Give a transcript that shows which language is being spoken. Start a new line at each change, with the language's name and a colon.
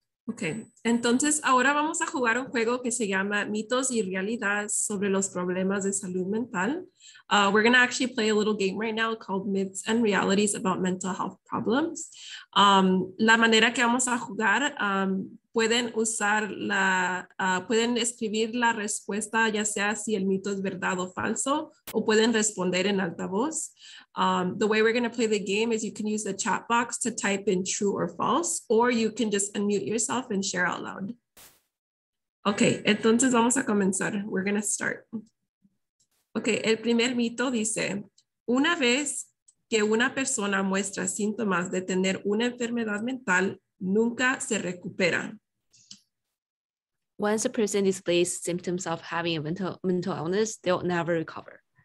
Spanish: Okay, entonces ahora vamos a jugar un juego que se llama Mitos y Realidades sobre los problemas de salud mental.
English: We're going to actually play a little game right now called Myths and Realities about Mental Health Problems.
Spanish: La manera que vamos a jugar, pueden escribir la respuesta, ya sea si el mito es verdad o falso, o pueden responder en alta voz.
English: The way we're going to play the game is you can use the chat box to type in true or false, or you can just unmute yourself and share out loud.
Spanish: Okay, entonces vamos a comenzar.
English: We're going to start.
Spanish: Okay, el primer mito dice, una vez que una persona muestra síntomas de tener una enfermedad mental, nunca se recupera.
English: Once a person displays symptoms of having a mental illness, they'll never recover.